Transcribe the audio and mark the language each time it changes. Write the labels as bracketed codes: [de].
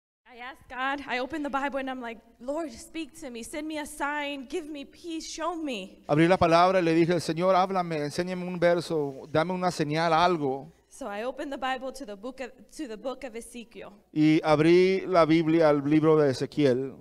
[en] I ask God, I open the Bible and I'm like, Lord, speak to me, send me a sign, give me peace, show me. [es] Abrí la palabra y le dije, Señor, háblame, enséñame un verso, dame una señal, algo. [en] So I opened the Bible to the book of Ezekiel. [es] Y abrí la Biblia al libro de Ezequiel.